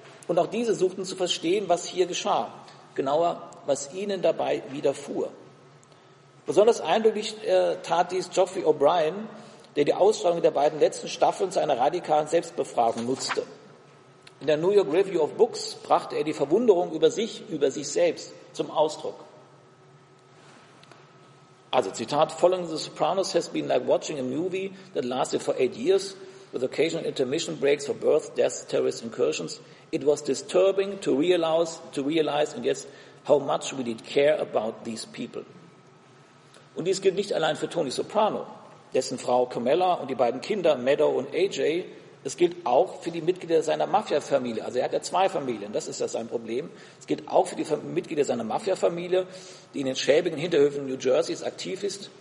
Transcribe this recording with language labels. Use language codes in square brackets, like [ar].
[de] Und auch diese suchten zu verstehen, was hier geschah. Genauer, was ihnen dabei widerfuhr. Besonders eindrücklich tat dies Geoffrey O'Brien, der die Ausstrahlung der beiden letzten Staffeln zu einer radikalen Selbstbefragung nutzte. In der New York Review of Books brachte er die Verwunderung über sich selbst, zum Ausdruck. Also Zitat, [en] Following the Sopranos has been like watching a movie that lasted for 8 years, with occasional intermission breaks for birth, death, terrorist incursions. It was disturbing to realize, and yes, how much we did care about these people. [de] Und dies gilt nicht allein für Tony Soprano, dessen Frau Camilla und die beiden Kinder Meadow und AJ. Es gilt auch für die Mitglieder seiner Mafia-Familie. Also er hat ja zwei Familien, das ist ja sein Problem. Es gilt auch für die Mitglieder seiner Mafia-Familie, die in den schäbigen Hinterhöfen New Jerseys aktiv ist.